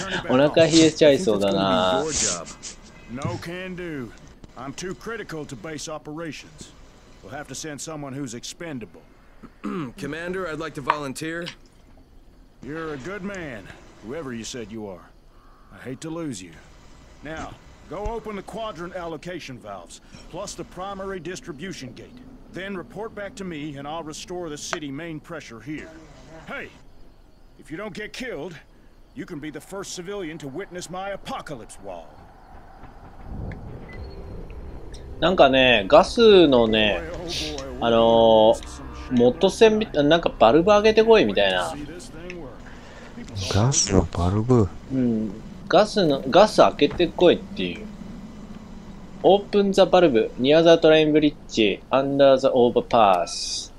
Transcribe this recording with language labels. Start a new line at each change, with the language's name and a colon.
Japanese: お腹冷えちゃいそうだな。
English: No can do. I'm too critical to base operations. We'll have to send someone who's expendable. Commander, I'd like to volunteer. You're a good man, whoever you said you are. I hate to lose you. Now. Go open the quadrant allocation valves, plus the primary distribution gate. Then report back to me, and I'll restore the city main pressure here. Hey, if you don't get killed, you can be the first civilian to witness my apocalypse wall.
Japanese: なんかね、ガスのね、モッド線みたいな、なんかバルブ上げてこいみたいな。ガスのバルブ。うん。ガス開けてこいっていう。
English: オープンザバルブ、ニアザトラインブリッジ、アンダーザオーバーパース。